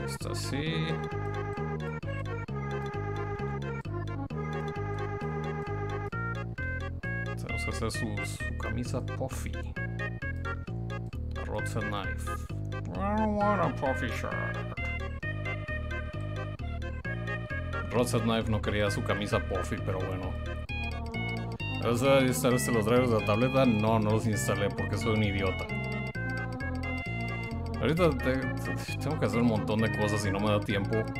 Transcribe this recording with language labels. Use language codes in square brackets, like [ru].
[es] Así. Tenemos que hacer su camisa puffy. [en] A rotten knife. I don't want a puffy shirt. [es] Rotten knife no quería su camisa puffy, pero bueno. ¿Vas a instalarse los drivers de la tableta? No los instalé porque soy un idiota. Ahorita tengo que hacer un montón de cosas y no me da tiempo.